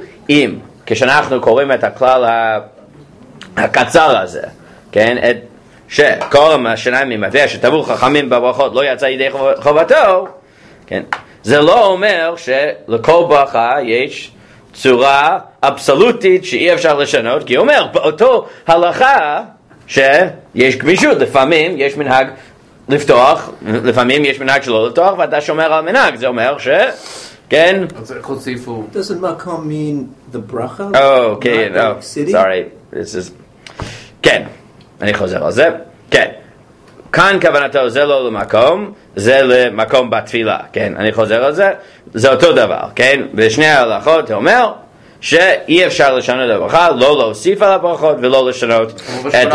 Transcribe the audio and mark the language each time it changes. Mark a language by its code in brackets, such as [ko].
[he] אם, כשאנחנו קוראים את הכלל הקצר הזה, כן, שכל המשנה ממדי שטבעו חכמים בברכות לא יצא ידי חובתו, כן, זה לא אומר שלכל ברכה יש צורה אבסולוטית שאי אפשר לשנות, כי הוא אומר באותו הלכה שיש גמישות, לפעמים יש מנהג לפתוח, לפעמים יש מנהג שלא לפתוח, ואתה שומר על מנהג. זה אומר ש, כן, [en] doesn't makom mean the bracha? Oh, okay, no, sorry, this is, [he] כן, אני חוזר על זה, כן, כאן כוונתו זה לא למקום, זה למקום בתפילה, כן, אני חוזר על זה, זה אותו דבר, כן, בשני ההלכות הוא אומר, שאי אפשר לשנות את הברכה, לא להוסיף על הברכות ולא לשנות את